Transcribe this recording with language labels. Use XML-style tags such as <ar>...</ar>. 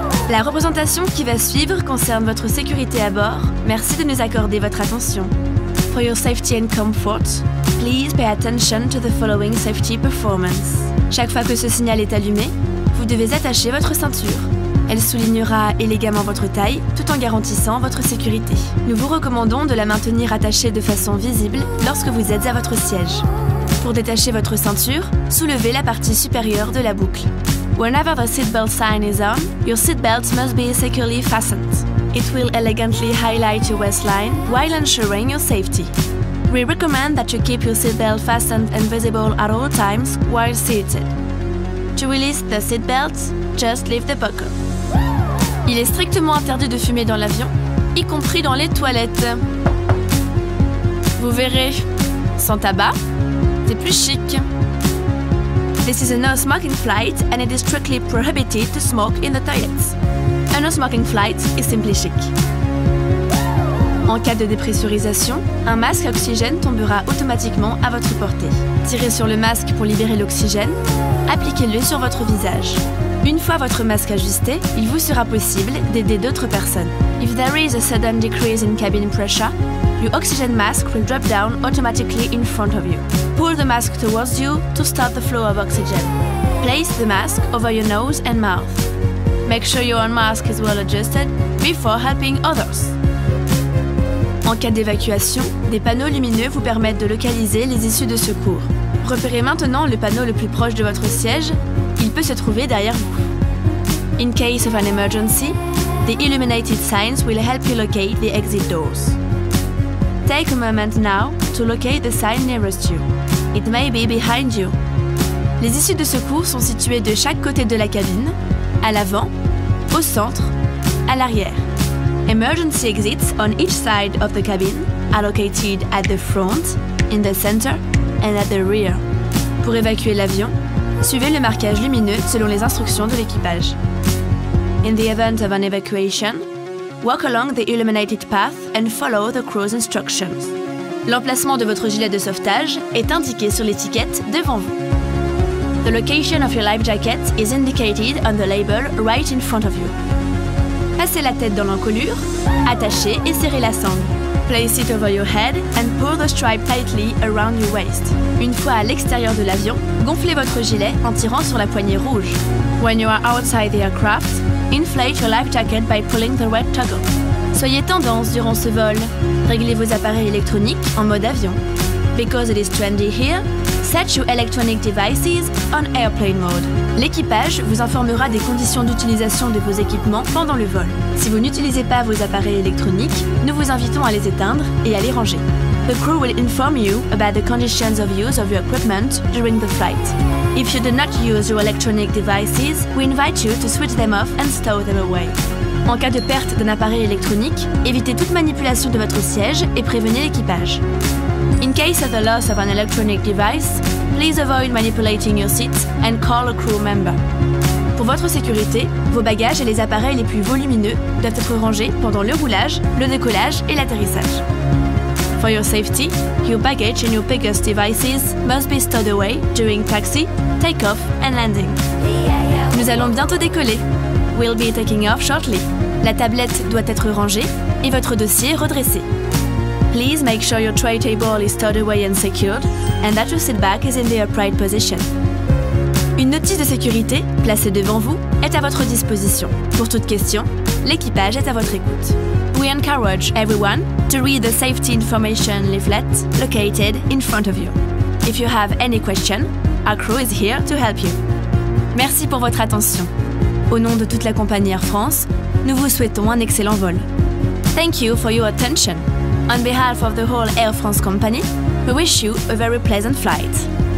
<fr>La représentation qui va suivre concerne votre sécurité à bord. Merci de nous accorder votre attention.</fr> <en>For your safety and comfort, please pay attention to the following safety performance.</en> <fr>Chaque fois que ce signal est allumé, vous devez attacher votre ceinture. Elle soulignera élégamment votre taille tout en garantissant votre sécurité. Nous vous recommandons de la maintenir attachée de façon visible lorsque vous êtes à votre siège. Pour détacher votre ceinture, soulevez la partie supérieure de la boucle.</fr> <en>Whenever the seatbelt sign is on, your seatbelt must be securely fastened. It will elegantly highlight your waistline while ensuring your safety. We recommend that you keep your seatbelt fastened and visible at all times while seated. To release the seatbelt, just lift the buckle.</en> <fr>Il est strictement interdit de fumer dans l'avion, y compris dans les toilettes. Vous verrez, sans tabac, c'est plus chic.</fr> <en>This is a no-smoking flight and it is strictly prohibited to smoke in the toilets. A no-smoking flight is simply chic.</en> <fr>En cas de dépressurisation, un masque à oxygène tombera automatiquement à votre portée. Tirez sur le masque pour libérer l'oxygène, appliquez-le sur votre visage. Une fois votre masque ajusté, il vous sera possible d'aider d'autres personnes.</fr> <en>If there is a sudden decrease in cabin pressure, your oxygen mask will drop down automatically in front of you. Pull the mask towards you to stop the flow of oxygen. Place the mask over your nose and mouth. Make sure your own mask is well adjusted before helping others.</en> <fr>En cas d'évacuation, des panneaux lumineux vous permettent de localiser les issues de secours. Repérez maintenant le panneau le plus proche de votre siège. Il peut se trouver derrière vous.</fr> <en>In case of an emergency, the illuminated signs will help you locate the exit doors. Take a moment now to locate the sign nearest you. It may be behind you.</en> <fr>Les issues de secours sont situées de chaque côté de la cabine, à l'avant, au centre, à l'arrière.</fr> <en>Emergency exits on each side of the cabin are located at the front, in the center, and at the rear.</en> <fr>Pour évacuer l'avion, suivez le marquage lumineux selon les instructions de l'équipage.</fr> <en>In the event of an evacuation, walk along the illuminated path and follow the crew's instructions.</en> <fr>L'emplacement de votre gilet de sauvetage est indiqué sur l'étiquette devant vous.</fr> <en>The location of your life jacket is indicated on the label right in front of you.</en> <fr>Passez la tête dans l'encolure, attachez et serrez la sangle.</fr> <en>Place it over your head and pull the strap tightly around your waist.</en> <fr>Une fois à l'extérieur de l'avion, gonflez votre gilet en tirant sur la poignée rouge.</fr> <en>When you are outside the aircraft, inflate your life jacket by pulling the red toggle.</en> <fr>Soyez tendance durant ce vol. Réglez vos appareils électroniques en mode avion.</fr> <en>Because it is trendy here, set your electronic devices on airplane mode.</en> <fr>L'équipage vous informera des conditions d'utilisation de vos équipements pendant le vol. Si vous n'utilisez pas vos appareils électroniques, nous vous invitons à les éteindre et à les ranger.</fr> <en>The crew will inform you about the conditions of use of your equipment during the flight. If you do not use your electronic devices, we invite you to switch them off and stow them away.</en> <fr>En cas de perte d'un appareil électronique, évitez toute manipulation de votre siège et prévenez l'équipage.</fr> <en>In case of the loss of an electronic device, please avoid manipulating your seat and call a crew member.</en> <fr>Pour votre sécurité, vos bagages et les appareils les plus volumineux doivent être rangés pendant le roulage, le décollage et l'atterrissage.</fr> <en>For your safety, your baggage and your biggest devices must be stowed away during taxi, take-off and landing.</en> <fr>Nous allons bientôt décoller.</fr> <en>We'll be taking off shortly.</en> <fr>La tablette doit être rangée et votre dossier redressé.</fr> <en>Please make sure your tray table is stowed away and secured and that your seat back is in the upright position.</en> <fr>Une notice de sécurité, placée devant vous, est à votre disposition. Pour toute question, l'équipage est à votre écoute.</fr> <en>We encourage everyone to read the safety information leaflet located in front of you. If you have any question, our crew is here to help you.</en> <fr>Merci pour votre attention. Au nom de toute la compagnie Air France, nous vous souhaitons un excellent vol.</fr> <en>Thank you for your attention. On behalf of the whole Air France company, we wish you a very pleasant flight.</en>